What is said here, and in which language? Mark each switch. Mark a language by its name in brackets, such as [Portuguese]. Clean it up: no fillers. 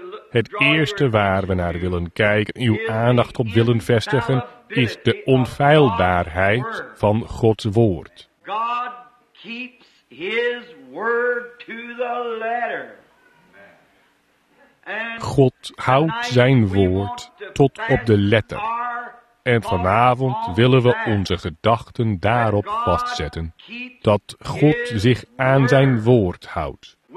[Dutch] Het eerste waar we naar willen kijken, uw aandacht op willen vestigen, is de onfeilbaarheid van Gods woord. [English] God keeps his word to the letter. [Dutch] God houdt zijn woord tot op de letter. En vanavond willen we onze gedachten daarop vastzetten dat God zich aan zijn woord houdt.